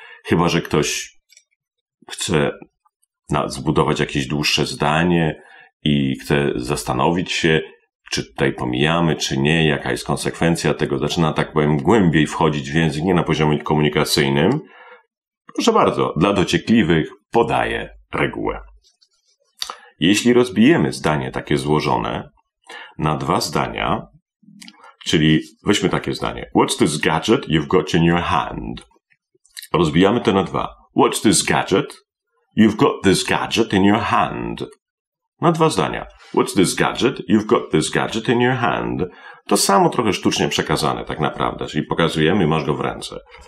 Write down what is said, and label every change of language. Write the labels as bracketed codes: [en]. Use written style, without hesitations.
[pl] Chyba że ktoś chce zbudować jakieś dłuższe zdanie i chce zastanowić się, czy tutaj pomijamy, czy nie, jaka jest konsekwencja tego, zaczyna, tak powiem, głębiej wchodzić w język, nie na poziomie komunikacyjnym. Proszę bardzo, dla dociekliwych podaję regułę. Jeśli rozbijemy zdanie takie złożone na dwa zdania, czyli weźmy takie zdanie. [en] What's this gadget you've got in your hand? [pl] Rozbijamy to na dwa. [en] What's this gadget? You've got this gadget in your hand. [pl] Na dwa zdania. [en] What's this gadget? You've got this gadget in your hand. [pl] To samo trochę sztucznie przekazane tak naprawdę, czyli pokazujemy, masz go w ręce.